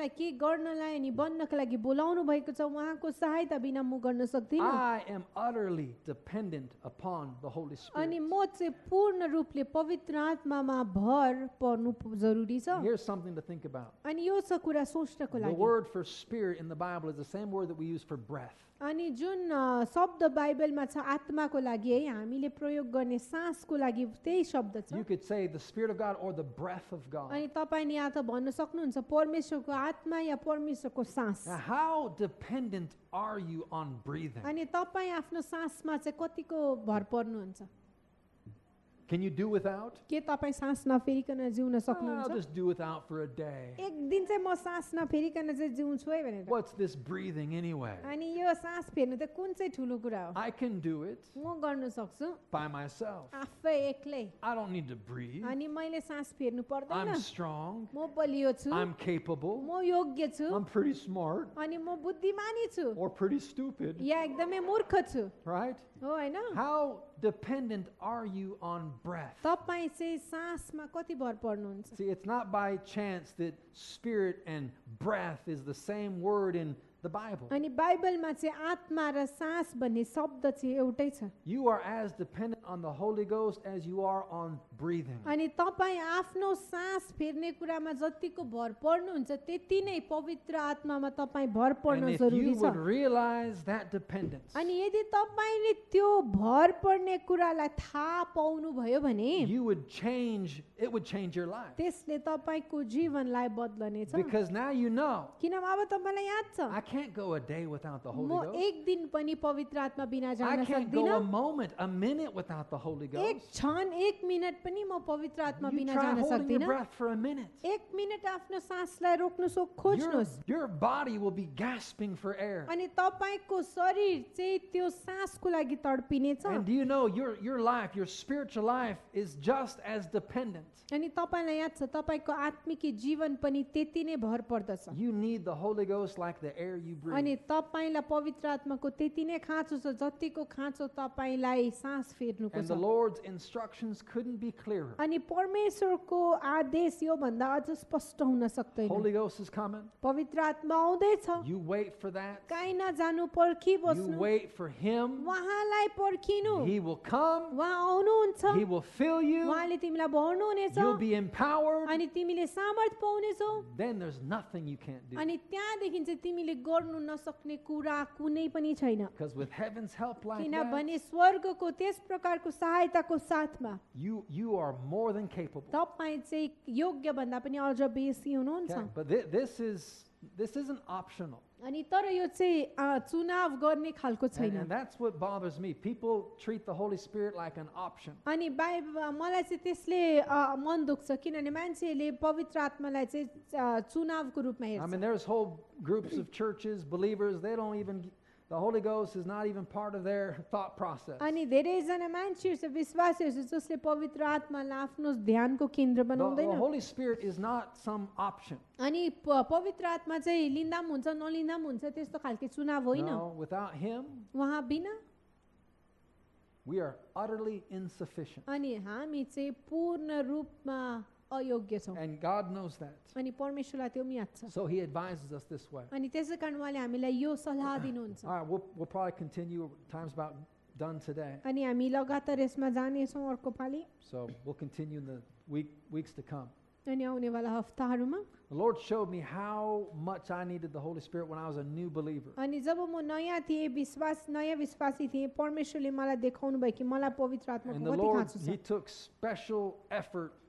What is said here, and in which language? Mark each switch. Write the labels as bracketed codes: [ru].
[en] I am utterly dependent upon the Holy Spirit. Here's something to think about. The word for spirit in the Bible is the same word that we use for breath. [ne] अनि जुन शब्द बाइबलमा छ आत्माको लागि है हामीले प्रयोग गर्ने सांसको लागि त्यही शब्द छ [en] You could say the spirit of God or the breath of God. [ne] अनि तपाईले यहाँ त भन्न सक्नुहुन्छ परमेश्वरको आत्मा या परमेश्वरको सांस. [en] How dependent are you on breathing? [ne] अनि तपाई आफ्नो सांसमा चाहिँ कतिको भर पर्नुहुन्छ? [en] Can you do without? [ne] के तपाई सांस नफेरिकन जिउन सक्नुहुन्छ? [en] I'll just do without for a day. [ne] एक दिन चाहिँ म सांस नफेरिकन चाहिँ जिउँछु है भनेर. [en] What's this breathing anyway? [ne] अनि यो सांस फेर्नु त कुन चाहिँ ठूलो कुरा हो? [en] I can do it. [ne] म गर्न सक्छु. [en] By myself. [ne] आफै एक्लै. [en] I don't need to breathe. [ne] अनि मैले सांस फेर्नु पर्दैन. [en] I'm strong. [ne] म बलियो छु. [en] I'm capable. [ne] म योग्य छु. [en] I'm pretty smart. [ne] अनि म बुद्धिमानी छु. [en] Or pretty stupid. [ne] या एकदमै मूर्ख छु. [en] Right? [ne] हो हैन? [en] How dependent are you on breath? [ne] तपाई चाहिँ सांसमा कति भर पर्नुहुन्छ? [en] See, it's not by chance that spirit and breath is the same word in the Bible. [ne] अनि बाइबलमा चाहिँ आत्मा र सांस भन्ने शब्द चाहिँ एउटै छ. [en] You are as dependent on the Holy Ghost as you are on breathing. [ne] अनि तपाई आफ्नो सांस फेर्ने कुरामा जतिको भर पर्नुहुन्छ त्यति नै पवित्र आत्मामा तपाई भर पर्न जरुरी छ. [en] You would realize that dependence. [ne] अनि यदि तपाईले त्यो भर पर्ने कुरालाई थाहा पाउनु भयो भने [en] you would change, it would change your life. [ne] त्यसले तपाईको जीवनलाई बदल्नेछ. [en] Because now you know. [ne] किनभने अब तपाईलाई याद छ. [en] I can't go a day without the Holy Ghost. [ne] म एक दिन पनि पवित्र आत्मा बिना जान सक्दिन. [en] I can't go a moment, a minute without the Holy Ghost. [ne] एक क्षण, एक मिनट पनि म पवित्र आत्मा बिना जान सक्दिन. [en] You try holding your breath for a minute. [ne] एक मिनट आफ्नो सांसलाई रोक्न सोच्नुस्. [en] Your body will be gasping for air. [ne] अनि तपाईको शरीर चाहिँ त्यो सांसको लागि तड्पिनेछ. [en] And do you know your life, your spiritual life is just as dependent. [ne] अनि तपाईलाई याद छ तपाईको आत्मिक जीवन पनि त्यति नै भर पर्दछ. [en] You need the Holy Ghost like the air you breathe. अनि [ne] तपाईलाई पवित्र आत्माको त्यति नै खाँचो छ जतिको खाँचो तपाईलाई सांस फेर्नुको छ. [en] And the Lord's instructions couldn't be clearer. [ne] अनि परमेश्वरको आदेश यो भन्दा अझ स्पष्ट हुन सक्दैन. [en] Holy Ghost is coming. [ne] पवित्र आत्मा आउँदैछ. [en] You wait for that. [ne] कहीं ना जानु पर्खी बस्नु. [en] You wait for him. [ne] वहाँलाई पर्खिनु. [en] He will come. [ne] वहाँ आउनुहुन्छ. [en] He will fill you. [ne] वहाँले तिमीलाई भर्नु हुनेछ. [en] You'll be empowered. [ne] अनि तिमीले सामर्थ्य पाउनेछौ. [en] Then there's nothing you can't do. [ne] अनि त्यहाँदेखि चाहिँ तिमीले गर्नु नसक्ने कुरा कुनै पनि छैन. [en] Because with heaven's help like that. [ne] किनभने स्वर्गको त्यस प्रकारको सहायताको साथमा. [en] You are more than capable. [ne] तपाईं चाहिँ योग्य भन्दा पनि अझ बेसी हुनुहुन्छ. [en] But this isn't optional. [ne] अनि तर यो चाहिँ चुनाव गर्ने खालको छैन. [en] And that's what bothers me. People treat the Holy Spirit like an option. [ne] अनि मलाई चाहिँ त्यसले मन दुख्छ किनभने मान्छेले पवित्र आत्मालाई चाहिँ चुनावको रूपमा हेर्छ. [en] I mean there's whole groups of churches, believers, they don't even the Holy Ghost is not even part of their thought process. [ne] अनि धेरै जना मान्छेहरू विश्वासीहरू जसले पवित्र आत्मालाई आफ्नो ध्यानको केन्द्र बनाउँदैन. [en] The Holy Spirit is not some option. [ne] अनि पवित्र आत्मा चाहिँ लिन्दा पनि हुन्छ नलिन्दा पनि हुन्छ त्यस्तो खालको चुनाव होइन. [en] No, without him. [ne] वहाँ बिना. [en] We are utterly insufficient. [ne] अनि हामी चाहिँ पूर्ण रूपमा अयोग्य छौ. [en] And God knows that. [ne] अनि परमेश्वरलाई त्यो पनि याद छ. [en] So he advises us this way. [ne] अनि त्यसै कारण उहाँले हामीलाई यो सल्लाह दिनुहुन्छ. [en] All right, we'll probably continue. Time's about done today. [ne] अनि हामी लगातार यसमा जानेछौ अर्को पालि. [en] So we'll continue in the weeks to come. The Lord showed me how much I needed the Holy Spirit when I was a new believer. [ne] अनि जब म नयाँ थिए विश्वास नयाँ विश्वासी थिए परमेश्वरले मलाई देखाउनु भयो कि मलाई पवित्र आत्माको कति खाँचो छ. [en] He took special effort